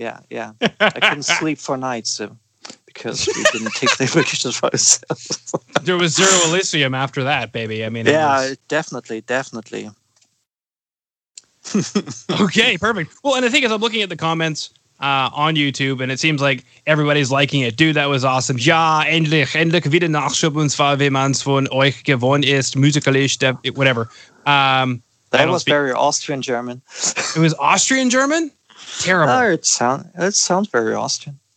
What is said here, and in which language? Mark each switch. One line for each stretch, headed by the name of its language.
English: Yeah. I couldn't sleep for nights, so. Because we didn't take the pictures by ourselves. There was zero Elysium after that, baby. I mean, definitely. Okay, perfect. Well, and the thing is, I'm looking at the comments on YouTube, and it seems like everybody's liking it. Dude, that was awesome.
German: Ja, endlich wieder Nachschub, und zwar, wie man's von euch gewohnt ist, musikalisch, whatever.
English: That was very Austrian German. It was Austrian German? Terrible. No, it sounds very Austrian.